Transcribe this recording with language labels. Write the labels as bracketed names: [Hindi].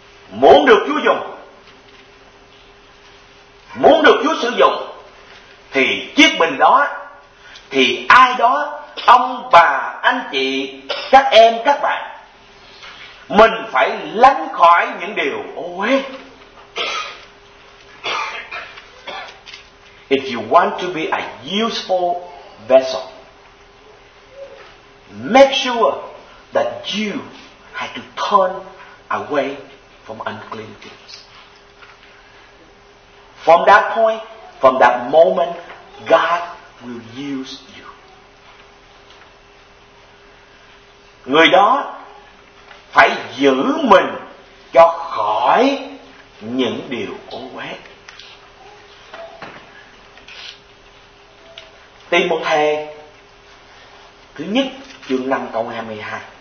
[Vietnamese] Muốn được Chúa dùng, muốn được Chúa sử dụng thì chiếc bình đó, thì ai đó, ông bà, anh chị, các em, các bạn, mình phải lánh khỏi những điều ô uế. [English] If you want to be a useful vessel, make sure that you have to turn away from unclean things. From that point, from that moment, God will use you. [Vietnamese] Người đó phải giữ mình cho khỏi những điều ô uế. Timôthê thứ nhất chương 5 câu 22.